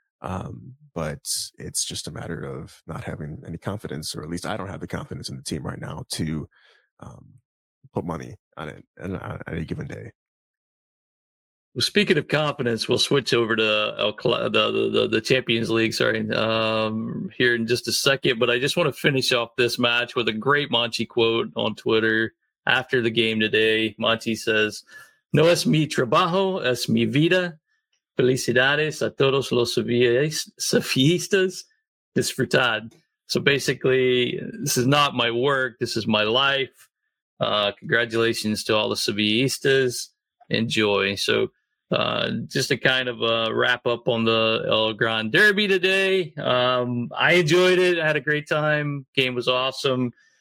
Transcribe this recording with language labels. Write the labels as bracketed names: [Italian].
[English] But it's just a matter of not having any confidence, or at least I don't have the confidence in the team right now to put money on it on any given day. Well, speaking of confidence, we'll switch over to the Champions League, here in just a second. But I just want to finish off this match with a great Monchi quote on Twitter after the game today. [Spanish] Monchi says, "No es mi trabajo, es mi vida. Felicidades a todos los sevillistas. Disfrutad." [English] So basically, this is not my work. This is my life. Congratulations to all the sevillistas. Enjoy. So just to kind of wrap up on the El Gran Derby today, I enjoyed it. I had a great time. Game was awesome.